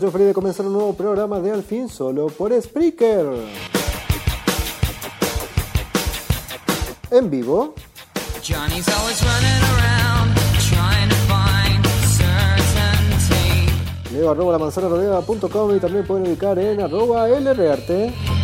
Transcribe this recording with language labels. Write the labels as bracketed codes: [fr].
[es] Yo feliz de comenzar un nuevo programa de Al Fin Solo por Spreaker. En vivo. [en] Johnny's always running around, trying to find certainty. [es] Leo arroba la manzana rodeada.com y también pueden ubicar en arroba LRarte.